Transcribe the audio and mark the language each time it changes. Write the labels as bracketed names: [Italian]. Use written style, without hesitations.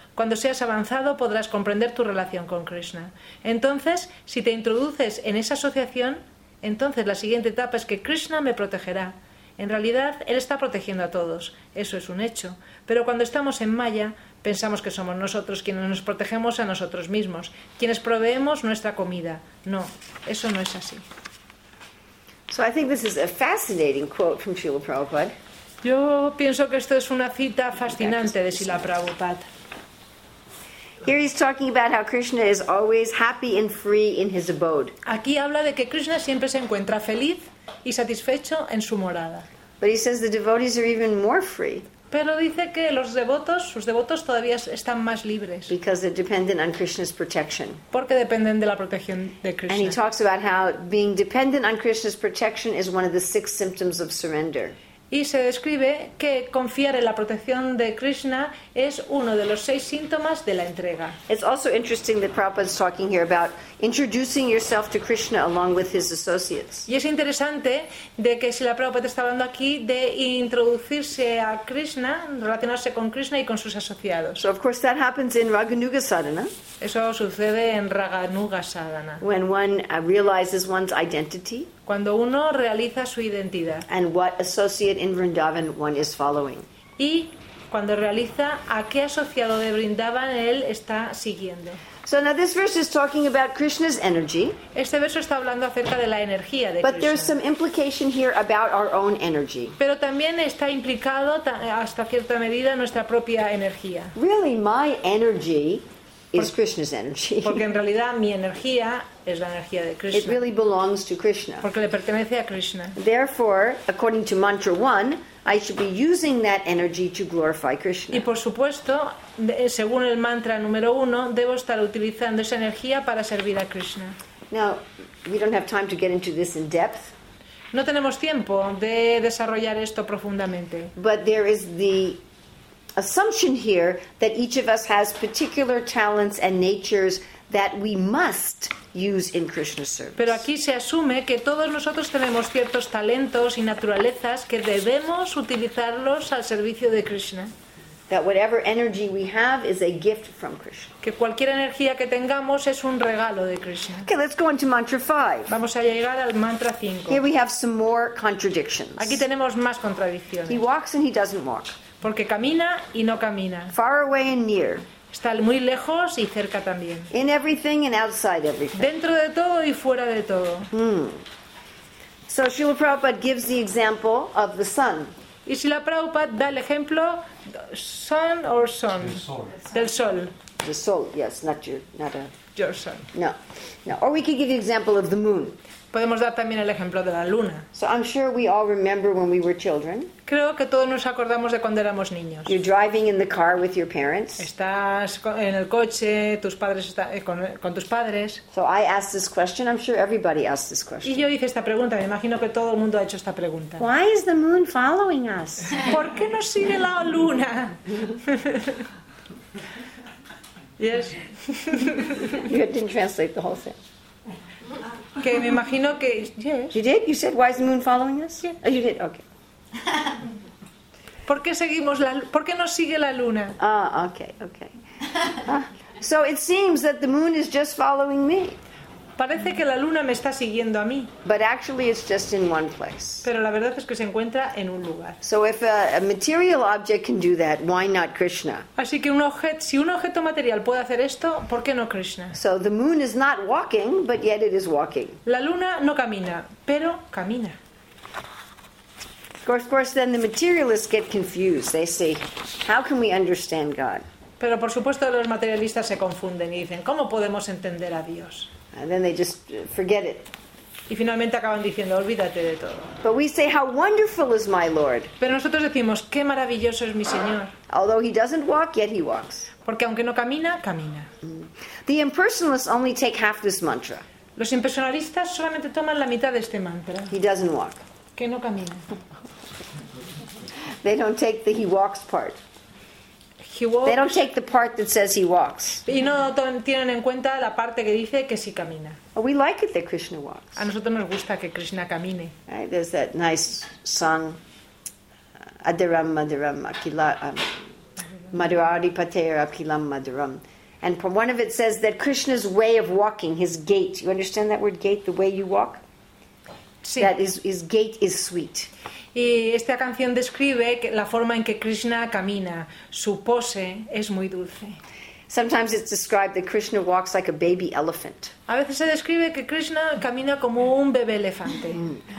[Spanish] Cuando seas avanzado podrás comprender tu relación con Krishna. Entonces, si te introduces en esa asociación, entonces la siguiente etapa es que Krishna me protegerá. En realidad, él está protegiendo a todos, eso es un hecho. Pero cuando estamos en Maya, pensamos que somos nosotros quienes nos protegemos a nosotros mismos, quienes proveemos nuestra comida. No, eso no es así. [English] So I think this is a fascinating quote from Srila Prabhupada. [Spanish] Yo pienso que esto es una cita fascinante de Srila Prabhupada. [English] Here he's talking about how Krishna is always happy and free in his abode. [Spanish] Aquí habla de que Krishna siempre se encuentra feliz y satisfecho en su morada. [English] But he says the devotees are even more free. [Spanish] Pero dice que los devotos, sus devotos todavía están más libres. [English] Because they're dependent on Krishna's protection. [Spanish] Porque dependen de la protección de Krishna. [English] And he talks about how being dependent on Krishna's protection is one of the six symptoms of surrender. [Spanish] Y se describe que confiar en la protección de Krishna es uno de los seis síntomas de la entrega. [English] It's also interesting that Prabhupada is talking here about introducing yourself to Krishna along with his associates. [Spanish] Y es interesante de que si la Prabhupada está hablando aquí de introducirse a Krishna, relacionarse con Krishna y con sus asociados. [English] So of course that happens in Raganuga Sadhana. [Spanish] Eso sucede en Raganuga Sadhana. [English] When one realizes one's identity. [Spanish] Cuando uno realiza su identidad. [English] And what associate in Vrindavan one is following. [Spanish] Y cuando realiza a qué asociado de Vrindavan él está siguiendo. [English] So now this verse is talking about Krishna's energy. [Spanish] Este verso está hablando acerca de la energía de Krishna. [English] But there's some implication here about our own energy. [Spanish] Pero también está implicado hasta cierta medida nuestra propia energía. [English] Really, my energy is Krishna's energy. [Spanish] Porque en realidad mi energía es la energía de Krishna. [English] It really belongs to Krishna. [Spanish] Porque le pertenece a Krishna. [English] Therefore, according to mantra 1, I should be using that energy to glorify Krishna. [Spanish] Y por supuesto, según el mantra número 1, debo estar utilizando esa energía para servir a Krishna. [English] Now, we don't have time to get into this in depth. [Spanish] No tenemos tiempo de desarrollar esto profundamente. [English] But there is the assumption here that each of us has particular talents and natures that we must use in Krishna's service. [Spanish] Pero aquí se asume que todos nosotros tenemos ciertos talentos y naturalezas que debemos utilizarlos al servicio de Krishna. [English] That whatever energy we have is a gift from Krishna. [Spanish] Que cualquier energía que tengamos es un regalo de Krishna. [English] Okay, let's go into mantra 5. [Spanish] Vamos a llegar al mantra 5. [English] Here we have some more contradictions. [Spanish] Aquí tenemos más contradicciones. [English] He walks and he doesn't walk. [Spanish] Porque camina y no camina. [English] Far away and near. [Spanish] Está muy lejos y cerca también. [English] In everything and outside everything. [Spanish] Dentro de todo y fuera de todo. [English] So Srila Prabhupada gives the example of the sun. [Spanish] Y Srila Prabhupada da el ejemplo [English] sun or sun? The sun. [Spanish] Del sol. [English] The sol, yes, not your sun. [Spanish] No. [English] Or we could give the example of the moon. [Spanish] Podemos dar también el ejemplo de la luna. [English] So I'm sure we all remember when we were children. [Spanish] Creo que todos nos acordamos de cuando éramos niños. [English] You're driving in the car with your parents. [Spanish] Estás en el coche, tus padres están con tus padres. [English] So I asked this question. I'm sure everybody asked this question. [Spanish] Y yo hice esta pregunta. Me imagino que todo el mundo ha hecho esta pregunta. [English] Why is the moon following us? [Spanish] ¿Por qué nos sigue la luna? [English] Yes. You didn't translate the whole thing. [Spanish] Que me imagino que yes. [English] You did? You said why is the moon following us? Yeah. Oh, you did. Okay. [Spanish] ¿Por qué seguimos la por qué nos sigue la luna? [English] Ah, okay. So it seems that the moon is just following me. [Spanish] Parece que la luna me está siguiendo a mí. [English] But actually it's just in one place. [Spanish] Pero la verdad es que se encuentra en un lugar. [English] So if a material object can do that, why not Krishna? [Spanish] Así que si un objeto material puede hacer esto, ¿por qué no Krishna? [English] So the moon is not walking, but yet it is walking. [Spanish] La luna no camina, pero camina. [English] Of course then the materialists get confused. They say, how can we understand God? [Spanish] Pero por supuesto los materialistas se confunden y dicen, ¿cómo podemos entender a Dios? [English] And then they just forget it. [Spanish] Y finalmente acaban diciendo, olvídate de todo. [English] But we say, how wonderful is my Lord. [Spanish] Pero nosotros decimos, qué maravilloso es mi Señor. [English] Although he doesn't walk, yet he walks. [Spanish] Porque aunque no camina, camina. [English] The impersonalists only take half this mantra. [Spanish] Los impersonalistas solamente toman la mitad de este mantra. [English] He doesn't walk. [Spanish] Que no camina. [English] They don't take the he walks part. He walks. They don't take the part that says he walks. [Spanish] Y no tienen en cuenta la parte que dice que sí camina. [English] Oh, we like it that Krishna walks. [Spanish] A nosotros nos gusta que Krishna camine. [English] Right, there's that nice song, Adaram Madaram Akilam Madaradipater Akilam Madaram. And one of it says that Krishna's way of walking, his gait, you understand that word gait, the way you walk? [Spanish] Sí. [English] That his gait is sweet. [Spanish] Y esta canción describe la forma en que Krishna camina. Su pose es muy dulce. [English] Sometimes it's described that Krishna walks like a baby elephant. [Spanish] A veces se describe que Krishna camina como un bebé elefante.